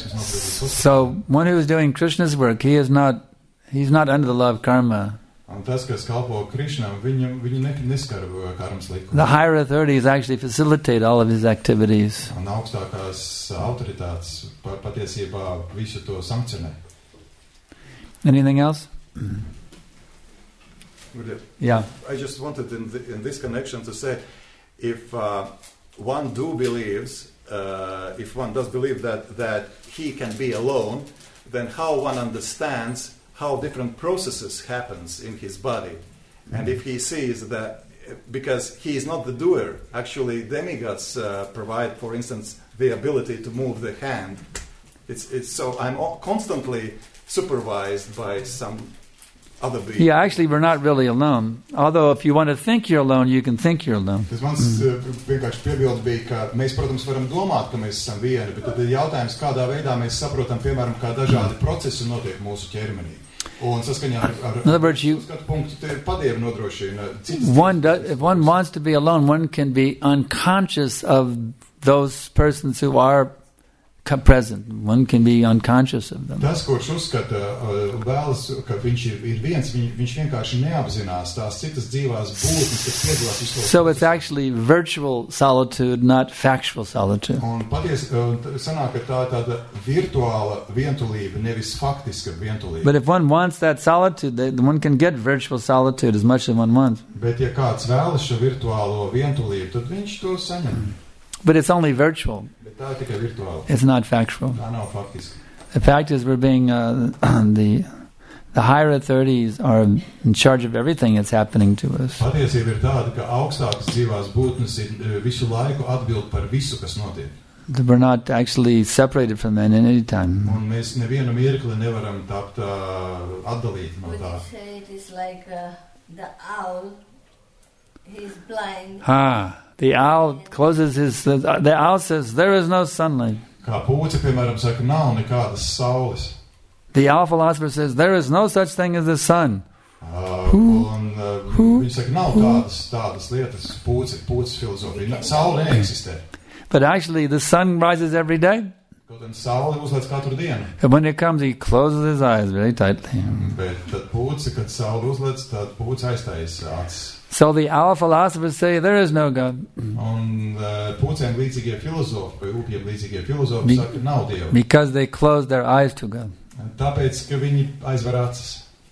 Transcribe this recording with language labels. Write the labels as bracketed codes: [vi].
[en] So, one who is doing Krishna's work, he's not under the law of karma. [lv] Un tas, kas kalpo Krishnam, viņu neskar karmas likumu. [en] The higher authorities actually facilitate all of his activities. [lv] Un augstākās autoritātes patiesībā visu to sankcionē. [en] Anything else? Yeah. I just wanted in this connection to say, if one do believes, if one does believe that he can be alone, then how one understands how different processes happens in his body. And if he sees that, because he is not the doer, actually demigods provide, for instance, the ability to move the hand. So I'm constantly supervised by some other being. Yeah, actually we're not really alone. Although if you want to think you're alone, you can think you're alone. [lv] Tas mans vienkārši piebildes bija, ka mēs, protams, varam domāt, ka mēs esam vieni, bet tad ir jautājums, kādā veidā mēs saprotam, piemēram, kā dažādi procesi notiek mūsu ķermenī. [en] In other words, if one wants to be alone, one can be unconscious of those persons who are present. One can be unconscious of them. [lv] Tas, ko viņš uzskata, vēlas, ka viņš ir viens, viņš vienkārši neapzinās tās citas dzīvās būtnes, kas piedalās visu to. [en] So it's actually virtual solitude, not factual solitude. [lv] Un paties, sanāk, ka tā ir tāda virtuāla vientulība, nevis faktiska vientulība. [en] But if one wants that solitude, then one can get virtual solitude as much as one wants. [lv] Bet ja kāds vēlas šo virtuālo vientulību, tad viņš to saņem. [en] But it's only virtual. [lv] Bet tā ir tikai virtuāli. [en] It's not factual. [lv] Tā nav faktiski. [en] The fact is we're being the higher authorities are in charge of everything that's happening to us. [lv] Patiesība ir tāda, ka augstākas dzīvās būtnes ir visu laiku atbild par visu, kas notiek. [en] That we're not actually separated from them in any time. [lv] Un mēs nevienu mirkli nevaram tapt atdalīt no tā. [en] Would you say it is like the owl, he's blind. Ah. The owl closes his, the owl says, there is no sunlight. [lv] Kā pūce, piemēram, saka, nav nekādas saules. [en] The owl philosopher says, there is no such thing as the sun. [lv] Viņi saka, nav tādas lietas, pūce filozofija. Saule neeksistē. [en] But actually, the sun rises every day. [lv] Kaut gan saule uzlēc katru dienu. [en] And when it comes, he closes his eyes very tightly. [lv] Bet tad pūce, kad saule uzlēc, tad pūce aizstājas acis. [en] So the owl philosophers say there is no God. [lv] Un pūcēm līdzīgie filozofi, vai upiem līdzīgie filozofi saka, nav Dieva. [en] Because they close their eyes to God. [lv] Tāpēc, ka viņi aizver acis.